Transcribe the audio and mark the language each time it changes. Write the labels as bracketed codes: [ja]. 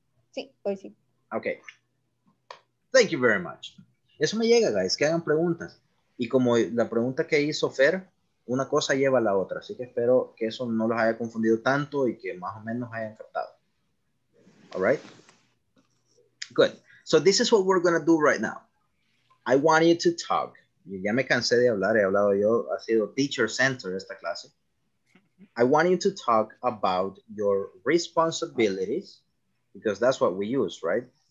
[es] Sí, hoy sí. [en] Ok. Thank you very much. [es] Eso me llega, guys, que hagan preguntas. Y como la pregunta que hizo Fer, una cosa lleva a la otra. Así que espero que eso no los haya confundido tanto y que más o menos hayan captado. [en] All right? Good. So this is what we're going to do right now. I want you to talk. [es] Ya me cansé de hablar, he hablado yo, ha sido teacher center esta clase. [en] I want you to talk about your responsibilities, because that's what we use, right?